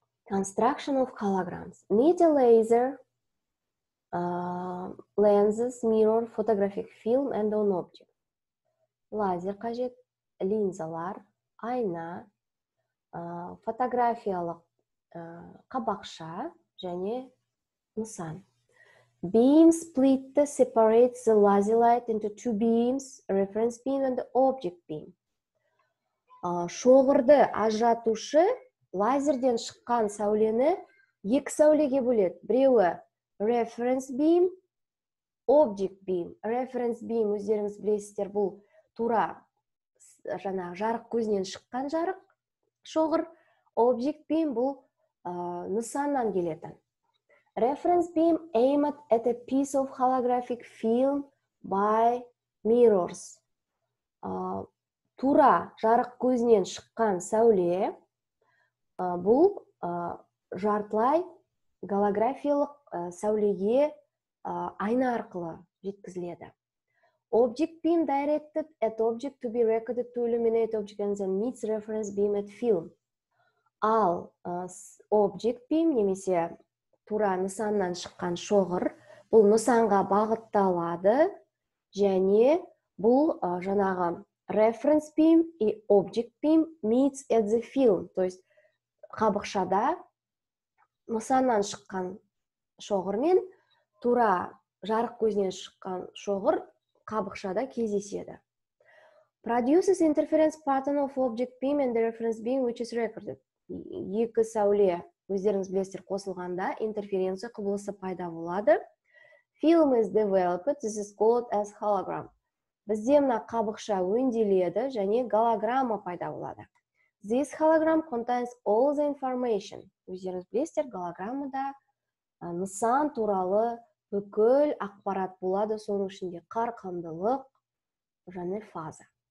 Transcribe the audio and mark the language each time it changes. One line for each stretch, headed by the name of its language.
English: Construction of holograms. Need a laser, lenses, mirror, photographic film and on object.
Kazakh: Лазер қажет, линзалар, айна, фотографиялық қабақша және нысан.
English: Beam split separates the laser light into two beams, reference beam and the object beam.
Kazakh: Шоғырды ажыратушы лазерден шыққан сәулені екі сәулеге бөледі. Біреуі reference beam, object beam. Reference beam, өздеріңіз білесіздер, бұл тура жаңа жарық көзінен шыққан жарық шоғыр. Object beam бұл нысаннан келетін.
English: Reference beam aimed at a piece of holographic film by mirrors.
Kazakh: Тура жарық көзінен шыққан сәуле бұл жартылай голографиялық сәулеге айна арқылы жеткізіледі.
English: Object beam directed at object to be recorded to illuminate object and then meets reference beam at film.
Kazakh: Ал object beam немесе тура нысаннан шыққан шоғыр бұл нысанға бағытталады және бұл жаңағы reference beam и object beam
English: meets at the film.
Russian: То есть
Kazakh: қабықшада нысаннан шыққан шоғыр мен тура жарық көзінен шыққан шоғыр қабықшада кездеседі.
English: Produces interference pattern of object beam and the reference beam which is recorded.
Kazakh: Екі сәуле өздеріңіз білесіздер қосылғанда интерференция құбылысы пайда болады.
English: Film is developed, this is called as hologram.
Kazakh: Бізде мына қабықша өнделеді және голограмма пайда болады.
English: This hologram contains all the information.
Kazakh: Өздеріңіз білесіздер, голограммада нысан туралы бүкіл ақпарат болады, соның ішінде қарқындылық және фаза.